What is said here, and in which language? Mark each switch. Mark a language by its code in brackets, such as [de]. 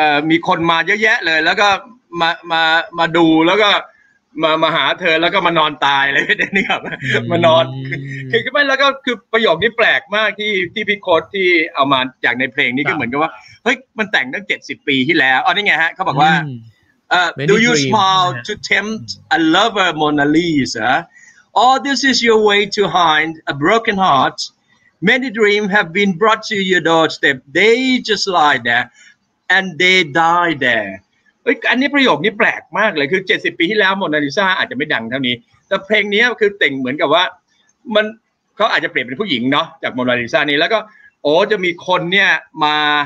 [th] มีคนมาเยอะแยะเลยแล้วก็มาดูแล้วก็มาหาเธอแล้วก็มานอนตายอะไรแบบนี้ครับมานอนคือไม่แล้วก็คือประโยคนี้แปลกมากที่พี่โค้ดที่เอามาจากในเพลงนี้ก็เหมือนกับว่าเฮ้ยมันแต่งตั้ง70ปีที่แล้วอ๋อนี่ไงฮะเขาบอกว่า [en] Do you smile to tempt a lover, Mona Lisa? Or this is your way to hide a broken heart? Many dreams have been brought to your doorstep. They just lie there, and they die there. [th] อันนี้ประโยคนี้แปลกมากเลยคือ70ปีที่แล้ว Mona Lisa อาจจะไม่ดังเท่านี้แต่เพลงนี้คือเต่งเหมือนกับว่ามันเขาอาจจะเปลี่ยนเป็นผู้หญิงเนาะจาก Mona Lisa นี้แล้วก็โอ้จะมีคนเนี่ยมา